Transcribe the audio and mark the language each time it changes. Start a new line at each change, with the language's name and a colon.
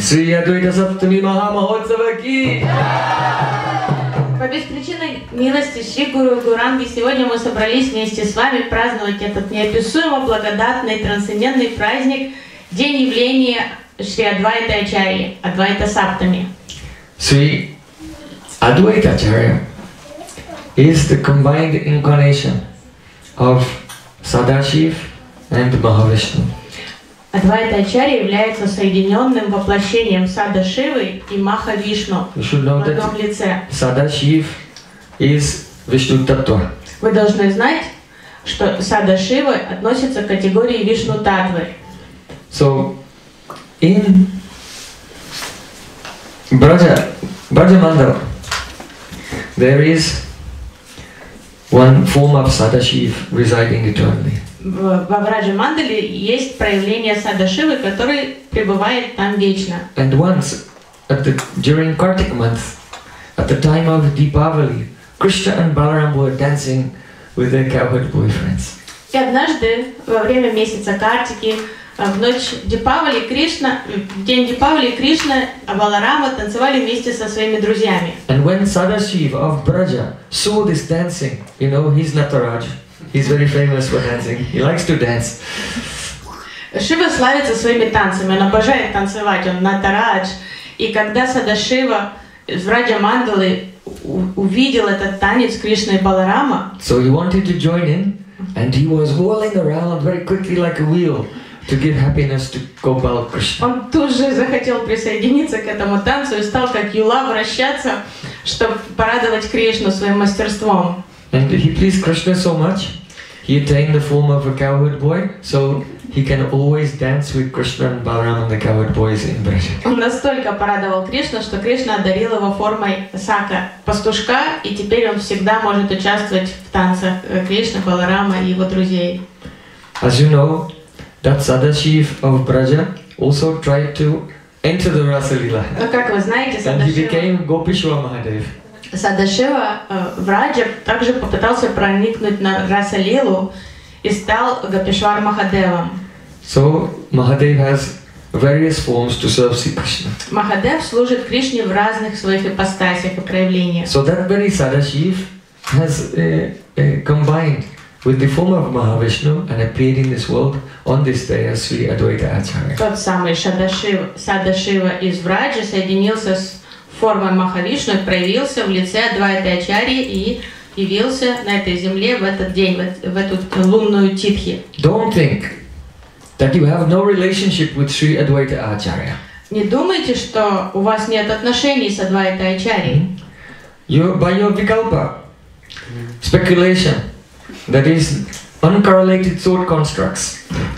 Sanskrit: Sri Advaita Saptami Maha Mahotsava Ki!
Russian: По беспричинной милости Шри Гуру Гуранги сегодня мы собрались вместе с вами праздновать этот неописуемо благодатный трансцендентный праздник День явления Шри Адвайта Ачарьи, Адвайта Саптами.
English: Sri Advaita Acharya is the combined incarnation of Sadashiv and Mahavishnu.
Russian: Advaita Acharya является соединенным воплощением Sadashivы и Mahavishnu.
English: You should know that Sadashiv is Vishnu Tattva.
Russian: Вы должны знать, что Sadashiva относится к категории Vishnu Tattva.
English: So, in Braja, Braja Mandala, there is one form of Sadashiv residing eternally.
Russian: Во Браджа Мандале есть проявление Sadashivы, который пребывает там вечно.
English: And once, during Kartik month, at the time of Deepavali, Krishna and Balaram were dancing with their cowherd boyfriends.
Russian: И однажды во время месяца Картики в ночь Дипавали Кришна, в день Дипавали Кришна и Баларама танцевали вместе со своими друзьями.
English: And when Sadashiv of Braja saw this dancing, you know, he's Nataraj, he's very famous for dancing, he likes to dance.
Russian: Шива славится своими танцами, он обожает танцевать, он Натарадж. И когда Sadashiva из Враджа Мандалы увидел этот танец Кришны и Баларама,
English: so he wanted to join in, and he was whirling around very quickly like a wheel. To give happiness to Gopal Krishna.
Russian: Он тут же захотел присоединиться к этому танцу и стал как юла вращаться, чтобы порадовать Кришну своим мастерством.
English: And he pleased Krishna so much, he attained the form of a cowherd boy, so he can always dance with Krishna and Balaram and the cowherd boys in Braja.
Russian: Он настолько порадовал Кришну, что Кришна одарил его формой сака, пастушка, и теперь он всегда может участвовать в танцах Кришны, Баларама и его друзей.
English: As you know, that Sadashiv of Braja also tried to enter the Rasa Lila.
Russian: Как вы знаете,
English: and he became Gopishwa Mahadev.
Russian: Sadashiva в Раджа также попытался проникнуть на Раса Лилу и стал Гопишвар Махадевом.
English: So Mahadev has various forms to serve Sri Krishna.
Russian: Mahadev служит Кришне в разных своих ипостасях и проявлениях.
English: So that very Sadashiv has combined with the form of Mahavishnu and appeared in this world on this day as Sri Advaita Acharya.
Russian: Тот самый Sadashiva из Враджа соединился с формой Махавишну и проявился в лице Адвайты Ачарьи и явился на этой земле в этот день, в эту лунную титхи.
English: Don't think that you have no relationship with Sri Advaita Acharya.
Russian: Не думайте, что у вас нет отношений с Адвайтой Ачарьей.
English: By your vikalpa, speculation, that is uncorrelated thought constructs.